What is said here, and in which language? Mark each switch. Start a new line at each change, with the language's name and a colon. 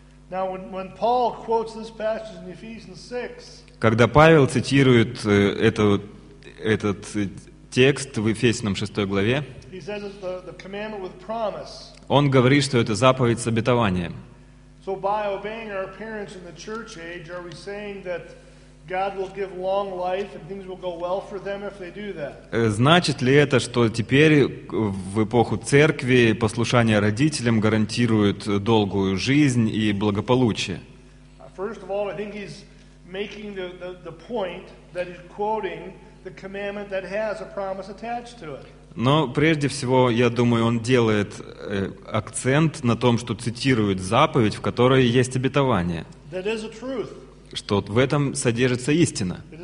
English: Now, when Paul quotes this passage in Ephesians 6,
Russian: когда Павел цитирует этот текст в Ефесянам 6 главе,
English: he says it's the commandment with promise.
Russian: Он говорит, что это заповедь с обетованием.
English: So by obeying our parents in the church age, are we saying that God will give long life and things will go well for them if they do that?
Russian: Значит ли это, что теперь в эпоху церкви послушание родителям гарантирует долгую жизнь и благополучие?
English: First of all, I think he's making the point that he's quoting the commandment that has a promise attached to it.
Russian: Но прежде всего, я думаю, он делает акцент на том, что цитирует заповедь, в которой есть обетование.
English: That is a truth.
Russian: Что в этом содержится истина.